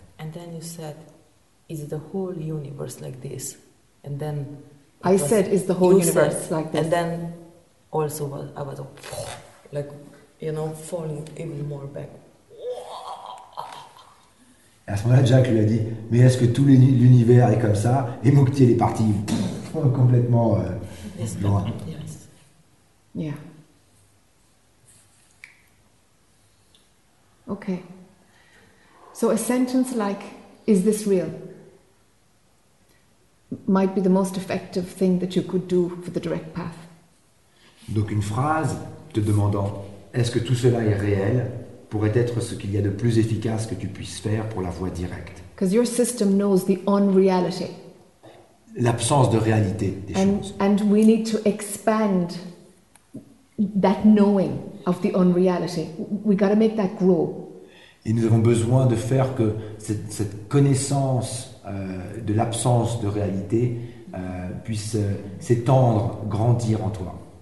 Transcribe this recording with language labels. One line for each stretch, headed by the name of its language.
English: And then you said, is the whole universe like this? And then I said, is the whole universe said, like this? And then also I was like, you know, falling even more back.
French: Et à ce moment-là, Jack lui a dit, mais est-ce que tout l'univers est comme ça? Et Mukti est parti complètement loin.
English: Yeah. Okay. So a sentence like, is this real? Might be the most effective thing that you could do for the direct path.
French: Donc une phrase te demandant, est-ce que tout cela est réel, pourrait être ce qu'il y a de plus efficace que tu puisses faire pour la voie directe.
English: Because your system knows the unreality.
French: L'absence de réalité des choses.
English: And we need to expand that knowing of the unreality. We got to make that grow.
French: Et nous avons besoin de faire que cette connaissance de l'absence de réalité puisse s'étendre, grandir en toi.